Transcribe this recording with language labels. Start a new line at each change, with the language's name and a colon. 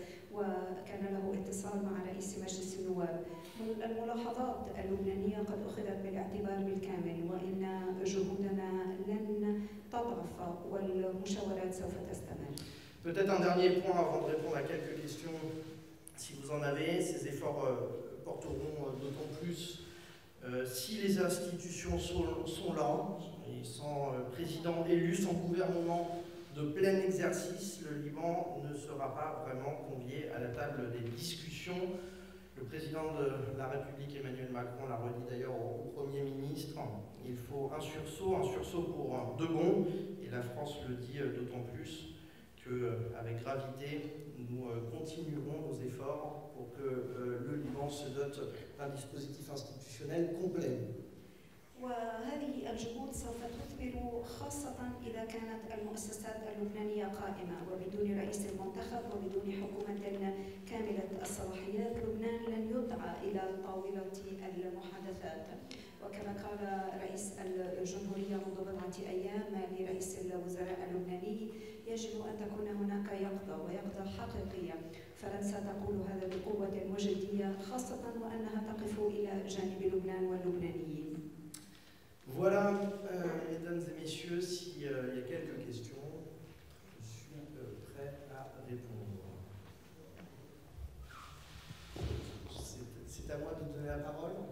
Arabic: وكان له اتصال مع رئيس مجلس النواب. الملاحظات اللبنانية قد أخذت بالاعتبار بالكامل وإن جهودنا لن تضعف والمشاورات سوف تستمر.
French: Peut-être un dernier point avant de répondre à quelques questions, si vous en avez. Ces efforts porteront d'autant plus si les institutions sont là et sans président élu, sans gouvernement de plein exercice, le Liban ne sera pas vraiment convié à la table des discussions. Le président de la République, Emmanuel Macron, l'a redit d'ailleurs au Premier ministre. Il faut un sursaut pour de bon, et la France le dit d'autant plus. Que, avec gravité, nous continuerons nos efforts pour que le Liban se dote d'un dispositif institutionnel complet.
Arabic: وهذه الجهود سوف تثمر خاصة إذا كانت المؤسسات اللبنانية قائمة وبدون رئيس منتخب وبدون حكومة كاملة الصلاحيات لبنان لن يدعى إلى طاولة المحادثات وكما قال رئيس الجمهورية منذ بضعة أيام لرئيس الوزراء اللبناني يجب أن تكون هناك يقظة ويقظة حقيقية فرنسا تقول هذا بقوة وجدية خاصة وأنها تقف إلى جانب لبنان واللبنانيين.
French: Voilà, mesdames et messieurs, s'il y a quelques questions, je suis prêt à répondre. C'est à moi de donner la parole.